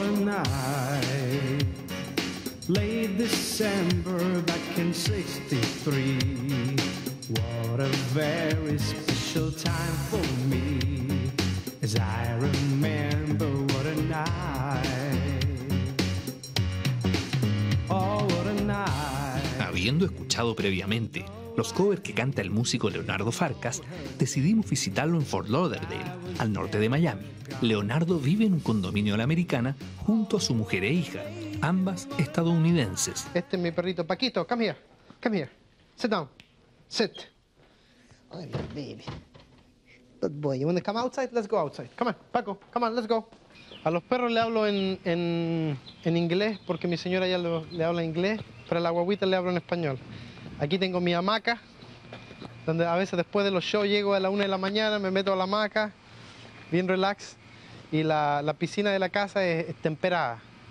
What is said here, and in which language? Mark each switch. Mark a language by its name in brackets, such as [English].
[English] night, late December back in 63. What a very special time for me, as I remember what a night. Oh, what a night. [Spanish] Habiendo escuchado previamente los covers que canta el músico Leonardo Farkas, decidimos visitarlo en Fort Lauderdale, al norte de Miami. Leonardo vive en un condominio a la americana junto a su mujer e hija, ambas estadounidenses. Este es mi perrito [English] Paquito, come here, sit down, sit. Oh, baby, good boy, you wanna come outside? Let's go outside, come on, Paco, come on, let's go. [Spanish] A los perros le hablo en inglés porque mi señora ya le habla inglés, pero a la guaguita le hablo en español. Aquí tengo mi hamaca, donde a veces después de los shows llego a la 1 de la mañana, me meto a la hamaca, bien relax, y la piscina de la casa es temperada.